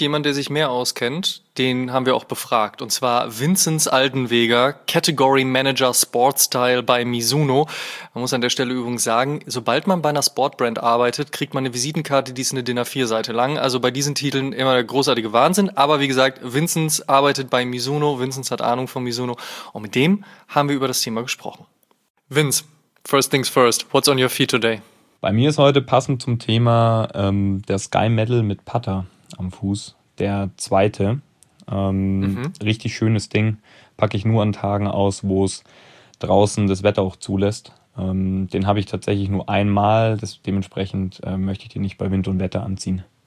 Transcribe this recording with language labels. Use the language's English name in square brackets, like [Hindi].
[German] Jemand, der sich mehr auskennt, den haben wir auch befragt. Und zwar Vinzenz Altenweger, Category Manager Sportstyle bei Mizuno. Man muss an der Stelle übrigens sagen, sobald man bei einer Sportbrand arbeitet, kriegt man eine Visitenkarte, die ist eine DIN A4-Seite lang. Also bei diesen Titeln immer der großartige Wahnsinn. Aber wie gesagt, Vinzenz arbeitet bei Mizuno. Vinzenz hat Ahnung von Mizuno. Und mit dem haben wir über das Thema gesprochen. [English] Vinz, first things first, what's on your feet today? [German] Bei mir ist heute passend zum Thema der Sky Metal mit Putter am Fuß. Der zweite. Richtig schönes Ding. Packe ich nur an Tagen aus, wo es draußen das Wetter auch zulässt. Den habe ich tatsächlich nur einmal. Dementsprechend möchte ich den nicht bei Wind und Wetter anziehen.